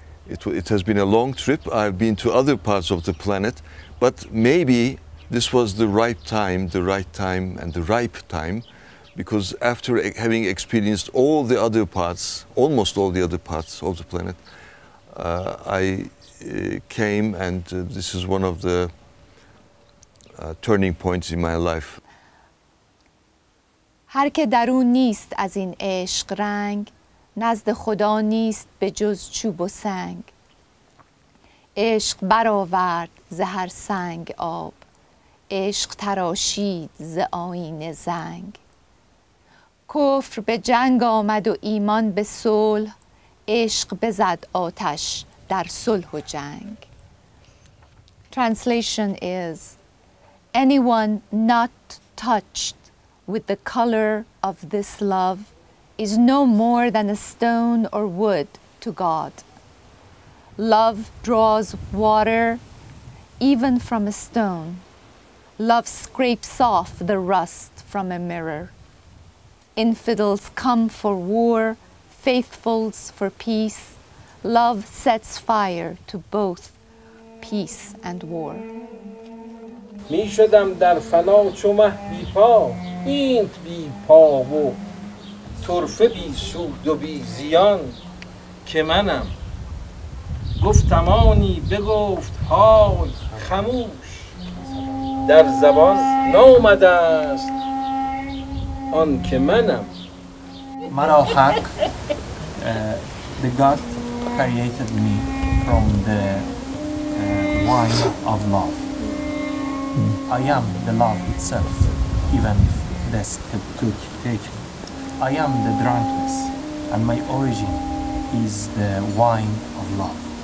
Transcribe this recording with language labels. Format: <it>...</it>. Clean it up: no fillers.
<en>It has been a long trip. I've been to other parts of the planet, but maybe this was the ripe time. Because after having experienced all the other parts, almost all the other parts of the planet, I came, and this is one of the turning points in my life.</en> <fa>هر که درون نیست از این عشق رنگ نزد خدا نیست به جز چوب و سنگ عشق برآورد ز هر سنگ آب عشق تراشید ز آینه زنگ کفر به جنگ آمد و ایمان به صلح عشق بزد آتش در صلح و جنگ</fa> <en>Translation is Anyone not touched with the color of this love is no more than a stone or wood to God. Love draws water even from a stone. Love scrapes off the rust from a mirror. Infidels come for war, faithfuls for peace. Love sets fire to both peace and war.</en> <fa>می شدم در فنا چو مه بی پا اینت بی پا و طرفه بی سود و بی زیان که منم گفتم آنی بگفت حال خموش در زبان نامده است آن که منم مرا حق</fa> <en>the God created me from the wine of love I am the love itself, even if death took take me. I am the drunkenness, and my origin is the wine of love.</en>